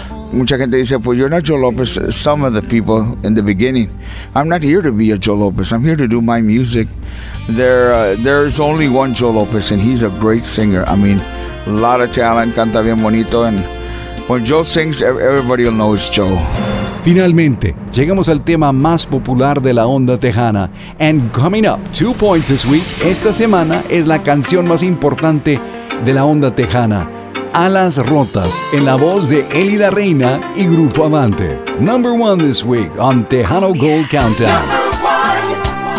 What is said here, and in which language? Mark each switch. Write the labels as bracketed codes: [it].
[es] Mucha gente dice, pues [en] you're not Joe López. Some of the people in the beginning. I'm not here to be a Joe López. I'm here to do my music. There's only one Joe López, and he's a great singer. I mean, a lot of talent, [es] canta bien bonito, [en] and when Joe sings, everybody will know it's Joe. [es] Finalmente, llegamos al tema más popular de la onda tejana. [en] And coming up, 2 points this week. [es] Esta semana es la canción más importante de la onda tejana. Alas Rotas, en la voz de Elida Reina y Grupo Avante. [en] Number one this week on Tejano Gold Countdown.